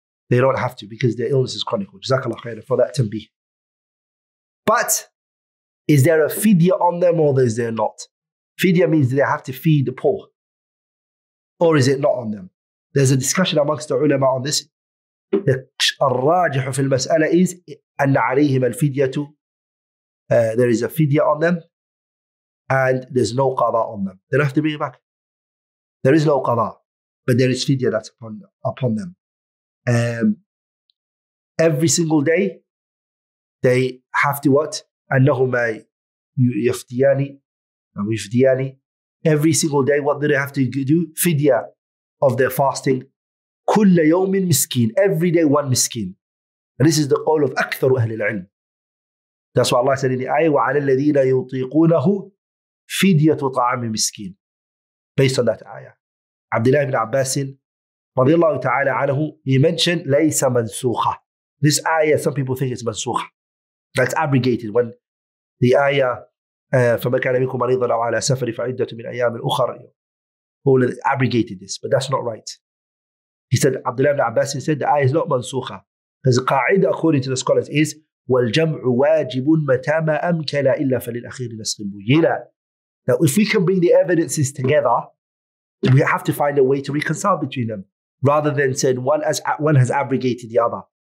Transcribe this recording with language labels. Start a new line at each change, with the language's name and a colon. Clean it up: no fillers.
English: They don't have to because their illness is chronic. Jazakallah khairan for that tanbih. But is there a fidya on them or is there not? Fidya means they have to feed the poor. Or is it not on them? There's a discussion amongst the ulama on this.
Arabic: The الراجح في المسألة is أن عليهم الفدية.
English: There is a fidya on them and there's no qada on them. They don't have to bring it back. There is no qada, but there is fidya that's upon them. Every single day, they have to what?
Arabic: أنهما يفديان ويفديان.
English: Every single day, what do they have to do? Fidya of their fasting.
Arabic: كل يوم مسكين.
English: Every day, one مسكين. And this is the call of
Arabic: أكثر أهل العلم.
English: That's why Allah said in the ayah,
Arabic: وعلى الذين يطيقونه فدية طعام مسكين.
English: Based on that ayah. Abdullah ibn Abbas, رضي الله تعالى عنه, he mentioned,
Arabic: ليس منسوخة.
English: This ayah, some people think it's منسوخة. That's abrogated. When the ayah,
Arabic: فما كان منكم مريضا أو على سفر فعدة من أيام أخرى.
English: Who abrogated this, but that's not right. He said, Abdullah ibn Abbas, he said, the ayah is not mansukha. Because qa'ida, according to the scholars, is
Arabic: وَالْجَمْعُ وَاجِبٌ مَتَامَ أَمْكَلَ إِلَّا فَلِلْأَخِيرِ نَسْخِمُ.
English: Now, if we can bring the evidences together, we have to find a way to reconcile between them, rather than saying one has abrogated the other.